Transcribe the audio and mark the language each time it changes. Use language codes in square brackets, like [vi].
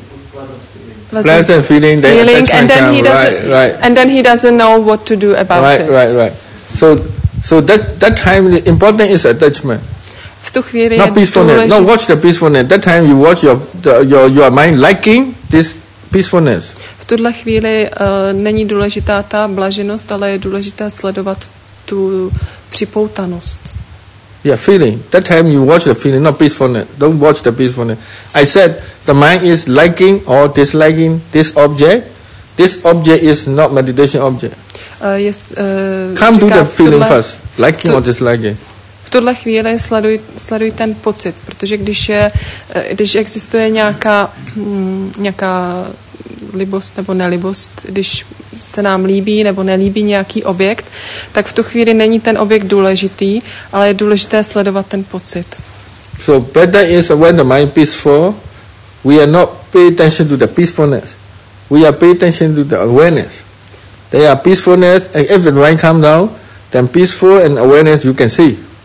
[en] pleasant feeling, then feeling and then comes. He doesn't right. and then he doesn't know what to do about right, it. Right. So that time the important is attachment. [cs] V tu chvíli [en] not peacefulness. No, watch the peacefulness. That time you watch your mind liking this peacefulness. [cs] V tuhle chvíli není důležitá ta blaženost, ale je důležité sledovat tu připoutanost. [en] Yeah, feeling. That time you watch the feeling, not peacefulness. Don't watch the peacefulness. I said the mind is liking or disliking this object. This object is not meditation object. Come to the feeling first, liking or disliking. [cs] V tuhle chvíli sleduj ten pocit, protože když existuje nějaká libost nebo nelibost, když se nám líbí nebo nelíbí nějaký objekt, tak v tu chvíli není ten objekt důležitý, ale je důležité sledovat ten pocit. [en] So better is when the mind peaceful, we are not pay attention to the peacefulness. We are pay attention to the awareness. There are peacefulness, and if the mind calm down, then peaceful and awareness you can see.